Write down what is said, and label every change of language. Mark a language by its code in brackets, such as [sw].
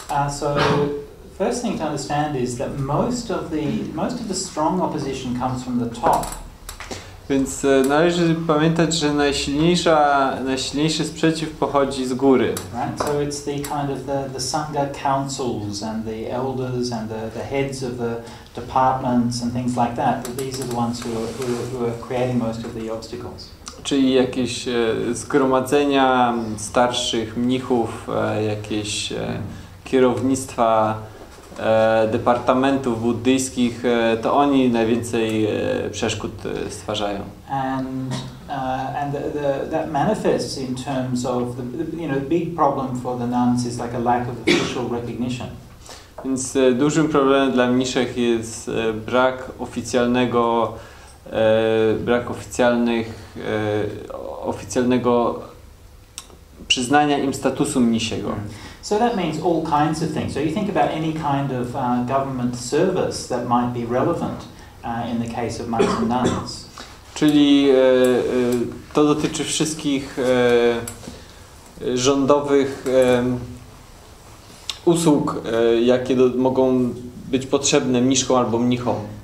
[en] So first thing to understand is that most of the strong opposition comes from the top. [pl] Więc należy pamiętać, że najsilniejszy sprzeciw pochodzi z góry. [en] Right? So it's the kind of the sangha councils and the elders and the heads of the departments and things like that. But these are the ones who are creating most of the obstacles. [pl] Czyli jakieś zgromadzenia starszych mnichów, jakieś kierownictwa departamentów buddyjskich, to oni najwięcej przeszkód stwarzają. [en] And that manifests in terms of the big problem for the nuns is like a lack of official recognition. [pl] Więc dużym problemem dla mniszek jest brak oficjalnego przyznania im statusu mnisiego. [en] So that means all kinds of things. So you think about any kind of government service that might be relevant in the case of monks and nuns. [pl] Czyli to dotyczy wszystkich rządowych usług, jakie mogą być potrzebne mniszkom albo mnichom.